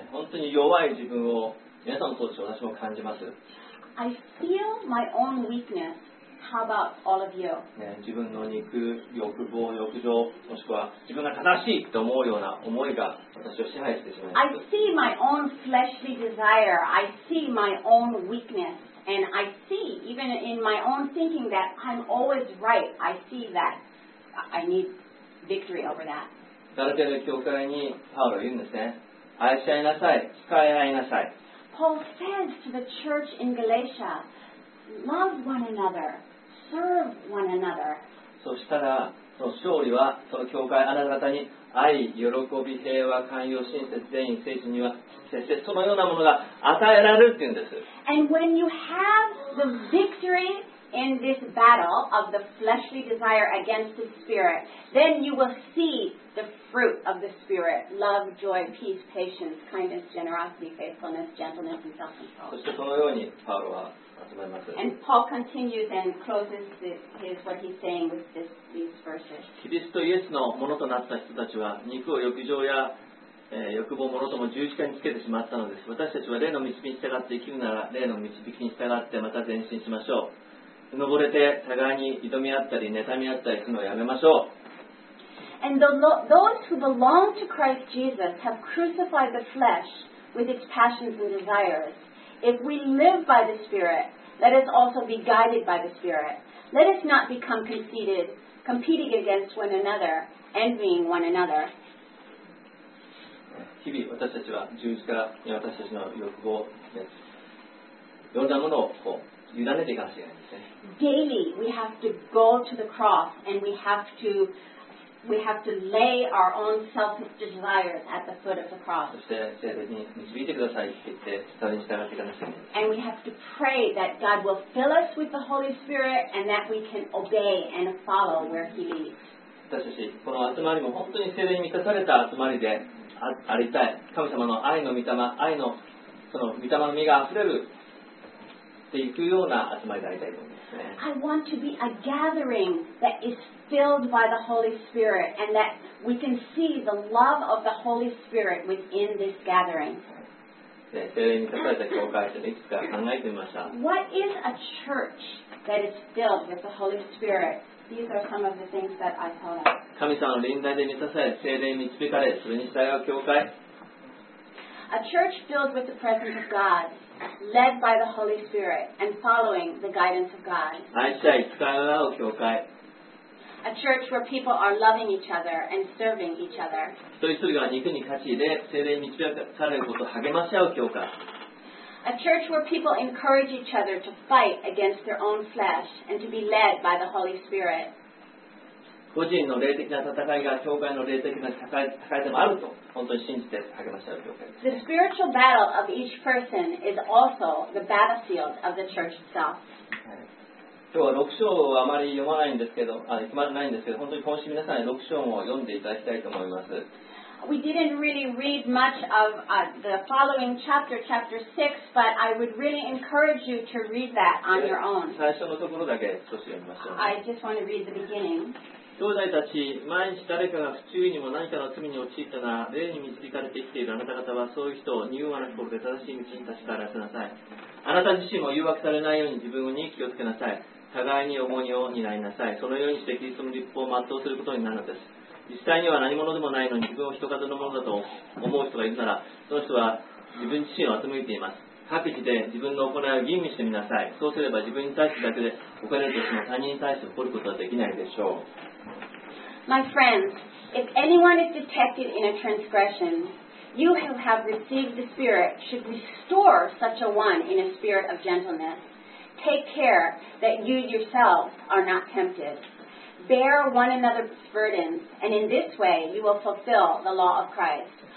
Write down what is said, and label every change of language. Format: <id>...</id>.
<ja>本当に弱い自分を皆さんもそうです。私も感じます。</ja> <en>I feel my own weakness. How about all of you?</en> <ja>自分の肉、欲望、欲情、もしくは自分が正しいと思うような思いが私を支配してしまいます。</ja> <en>I see my own fleshly desire. I see my own weakness. And I see, even in my own thinking, that I'm always right. I see that I need victory over that.</en> <ja>ガラテヤの教会にパウロ言うんですね。愛し合いなさい、使い合いなさい。</ja> <en>Paul says to the church in Galatia, love one another, serve one another.</en> <ja>そしたら、その勝利は、その教会あなた方に愛、喜び、平和、寛容、親切、善意、誠実には、そしてそのようなものが与えられるって言うんです。</ja> <en>And when you have the victory,In this battle of the fleshly desire against the spirit, then you will see the fruit of the spirit: love, joy, peace, patience, kindness, generosity, faithfulness, gentleness, and self-control.</en> <ja>そしてそのようにパウロは集めます。</ja> <en>And Paul continues and closes his what he's saying with these verses.</en> <ja>キリストイエスのものとなった人たちは肉を欲情や欲望ものとも十字架につけてしまったのです。私たちは霊の導きに従って生きるなら霊の導きに従ってまた前進しましょう。登れて互いに挑み合ったり妬み合ったりするのをやめましょう。</ja> <en>And those who belong to Christ Jesus have crucified the flesh with its passions and desires. If we live by the Spirit, let us also be guided by the Spirit. Let us not become conceited, competing against one another, envying one another.</en> <ja>日々私たちは十字から私たちの欲望を、ね、いろんなものをこう委ねていかなきゃいけないんですね。</ja> <en>Daily we have to go to the cross and we have to lay our own selfish desires at the foot of the cross.</en> <ja>そして聖霊に導いてくださいって言って、それに従っていかなきゃいけない。</ja> <en>And we have to pray that God will fill us with the Holy Spirit and that we can obey and follow where He leads.</en> <ja>私たちこの集まりも本当に聖霊に満たされた集まりで。ありたい神様の愛の御霊愛のその御霊の実があふれるっていくような集まりでありたいと思いますね</ja> <en>I want to be a gathering that is filled by the Holy Spirit and that we can see the love of the Holy Spirit within this gathering</en> <ja>聖霊に満たされた教会をいくつか考えてみました</ja> <en>What is a church that is filled with the Holy Spirit? These are some of the things that I thought of.</en> <ja>神様の臨在で満たされ、聖霊に導かれ、それに従う教会。</ja> <en>A church filled with the presence of God, led by the Holy Spirit and following the guidance of God.</en> <ja>愛し合い、使い合う教会。</ja> <en>A church where people are loving each other and serving each other.</en> <ja>一人一人が肉に勝ち入れ、聖霊に導かれることを励まし合う教会。</ja> <en>A church where people encourage each other to fight against their own flesh and to be led by the Holy Spirit.</en> <ja>個人の霊的な戦いが教会の霊的な戦いでもあると本当に信じて励ましている教会です。</ja> <en>The spiritual battle of each person is also the battlefield of the church itself.</en> <ja>今日は6章をあまり読まないんですけど、決まらないんですけど、本当に今週皆さんに6章を読んでいただきたいと思います。</ja> <en>We didn't really read much of the following chapter, chapter 6, but I would really encourage you to read that on your own.</en> <ja>最初のところだけ少し読みましょう。</ja> <en>I just want to read the beginning.</en> <ja>兄弟たち、万一誰かが不注意にも何かの罪に陥ったが、霊に導かれて生きているあなた方は、そういう人を柔和な心で正しい道に立ち返らせなさい。あなた自身も誘惑されないように自分に気をつけなさい。互いに重荷を担いなさい。そのようにしてキリストの律法を全うすることになるのです。実際には何者でもないのに自分を人数のものだと思う人がいるなら、その人は自分自身を欺いています。各自で自分の行いを吟味してみなさい。そうすれば自分に対してだけで、他人としても他人に対して誇ることはできないでしょう。</ja> <en>My friends, if anyone is detected in a transgression, you who have received the Spirit should restore such a one in a spirit of gentleness. Take care that you yourselves are not tempted. Bear one another's burdens, and in this way you will fulfill the law of Christ.</en>